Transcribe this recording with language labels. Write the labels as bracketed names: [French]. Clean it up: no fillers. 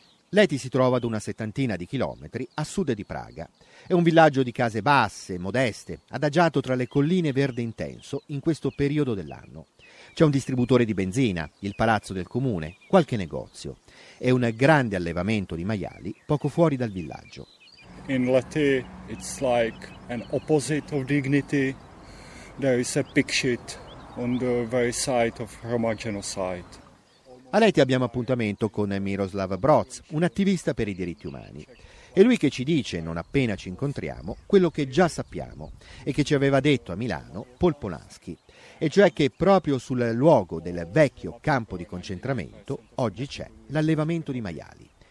[Italian] Leti si trova ad una settantina di chilometri a sud di Praga. È un villaggio di case basse, modeste, adagiato tra le colline verde intenso in questo periodo dell'anno. C'è un distributore di benzina, il palazzo del comune, qualche negozio. È un grande allevamento di maiali poco fuori dal villaggio. [English] In Leti it's like an opposite of dignity. There is a picture on the very site of Roma genocide. [Italian] A Leti abbiamo appuntamento con Miroslav Broz, un attivista per i diritti umani. È lui che ci dice, non appena ci incontriamo, quello che già sappiamo e che ci aveva detto a Milano Paul Polanski, e cioè che proprio sul luogo del vecchio campo di concentramento oggi c'è l'allevamento di maiali.